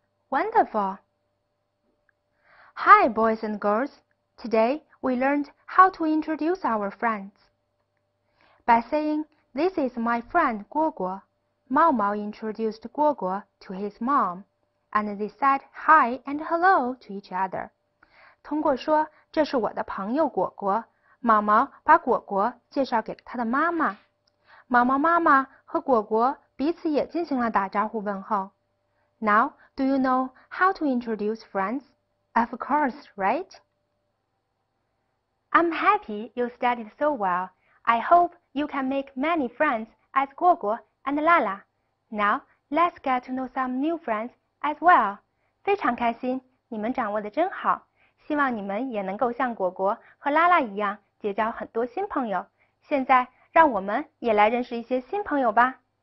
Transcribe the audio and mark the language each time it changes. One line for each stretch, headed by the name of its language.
English: Wonderful. Hi, boys and girls. Today, we learned how to introduce our friends. By saying, this is my friend Guoguo, Mao Mao introduced Guoguo to his mom, and they said hi and hello to each other.
Chinese: 通过说这是我的朋友果果，毛毛把果果介绍给了他的妈妈。毛毛妈妈和果果彼此也进行了打招呼问候。
English: Now, do you know how to introduce friends? Of course, right? I'm happy you studied so well. I hope you can make many friends as Guoguo and Lala. Now, let's get to know some new friends as well.
Chinese: 非常开心，你们掌握得真好。希望你们也能够像果果和拉拉一样结交很多新朋友。现在，让我们也来认识一些新朋友吧。